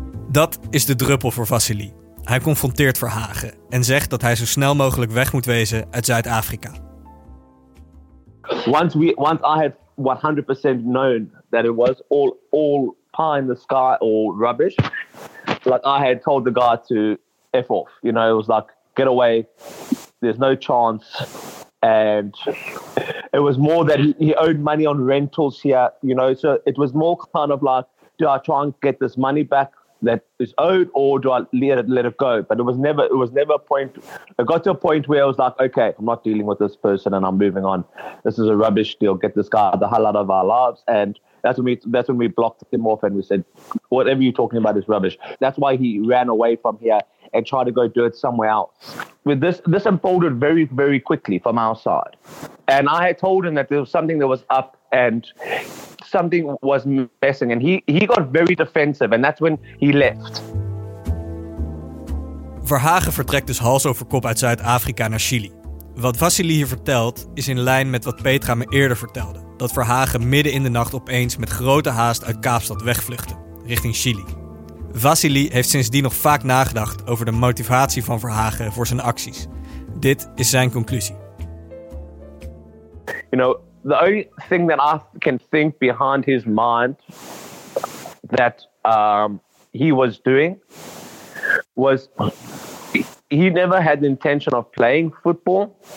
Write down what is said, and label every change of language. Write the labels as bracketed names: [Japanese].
[Dutch] Dat is de druppel voor Vassily. Hij confronteert Verhagen en zegt dat hij zo snel mogelijk weg moet wezen uit Zuid-Afrika. [English] Once I had 100% known that it was all pie in the sky, all rubbish, like I had told the guy to F off, you know, it was like, get away, there's no chance. And it was more that he owed money on rentals here, you know, so it was more kind of like, do I try and get this money back that is owed, or do I let it go? But it was never a point. It got to a point where I was like, okay, I'm not dealing with this person and I'm moving on. This is a rubbish deal. Get this guy the hell out of our lives. And that's when we blocked him off and we said, whatever you're talking about is rubbish. That's why he ran away from here and tried to go do it somewhere else. With this unfolded very, very quickly from our side. And I had told him that there was something that was up and something was missing, and he got very defensive, and that's when he left. [Dutch] Verhagen vertrekt dus hals over kop uit Zuid-Afrika naar Chili. Wat Vasily hier vertelt is in lijn met wat Petra me eerder vertelde, dat Verhagen midden in de nacht opeens met grote haast uit Kaapstad wegvluchtte, richting Chili. Vasily heeft sindsdien nog vaak nagedacht over de motivatie van Verhagen voor zijn acties. Dit is zijn conclusie. [English] You know, the only thing that I can think behind his mind that he was doing was he never had the intention of playing football.